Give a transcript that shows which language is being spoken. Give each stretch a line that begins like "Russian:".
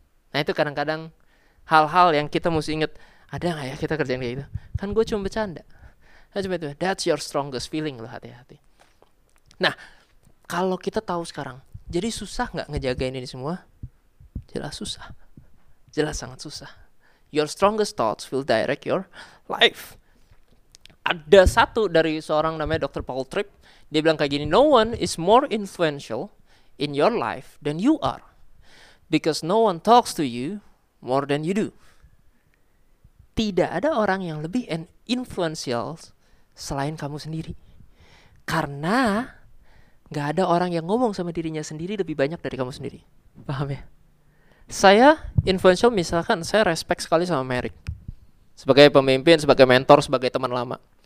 Indonesian: Nah itu kadang-kadang hal-hal yang kita mesti inget, ada gak ya kita kerjain kayak gitu? Kan gue cuma bercanda.
English: That's your strongest feeling
Indonesian: loh, hati-hati. Nah, kalau kita tahu sekarang, jadi susah gak ngejagain ini semua? Jelas susah. Jelas sangat susah.
English: Your strongest thoughts will direct your life.
Indonesian: Ada satu dari seorang namanya Dr.
English: Paul Tripp,
Indonesian: dia bilang kayak gini,
English: no one is more influential in your life than you are, because no one talks to you more than you do.
Indonesian: Tidak ada orang yang lebih influential selain kamu sendiri, karena gak ada orang yang ngomong sama dirinya sendiri lebih banyak dari kamu sendiri. Paham ya? Saya influential, misalkan saya respect sekali sama Merrick sebagai pemimpin, sebagai mentor, sebagai teman lama.